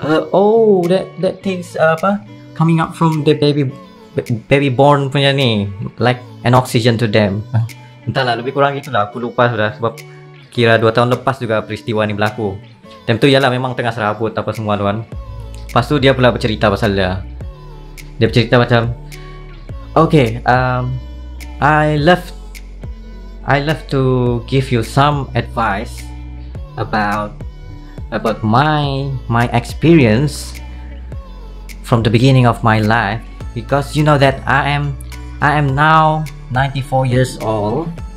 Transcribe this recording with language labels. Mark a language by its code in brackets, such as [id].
[en] That things apa? Coming up from the baby born [ms] punya ni, [en] like an oxygen to them. [ms] Entahlah, lebih kurang itulah. Aku lupa sudah sebab kira 2 tahun lepas juga peristiwa ni berlaku. Time tu ialah memang tengah serabut apa semua tuan. Lepas tu dia pula bercerita pasal dia. Dia bercerita macam, [en] okay, I love to give you some advice about my experience from the beginning of my life, because you know that I am now 94 years old.